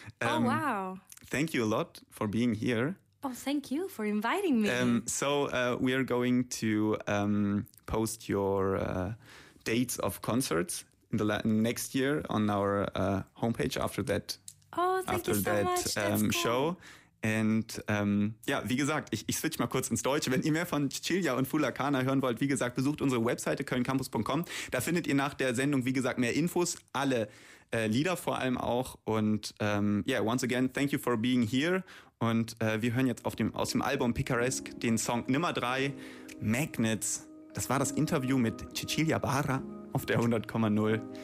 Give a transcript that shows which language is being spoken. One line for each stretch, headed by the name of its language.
English: Oh, wow. Thank you a lot for being here. Oh, thank you for inviting me. So we are going to post your dates of concerts in the next year on our homepage after that. Thank you so much.
German: Und ja, wie gesagt, ich switch mal kurz ins Deutsche. Wenn ihr mehr von Cecilia und Fula Kana hören wollt, wie gesagt, besucht unsere Webseite kölncampus.com. Da findet ihr nach der Sendung, wie gesagt, mehr Infos, alle Lieder vor allem auch.
English: Und once again, thank you for being here.
German: Und wir hören jetzt aus dem Album Picaresque den Song Nummer 3, Magnets. Das war das Interview mit Cecilia Barra auf der 100,0.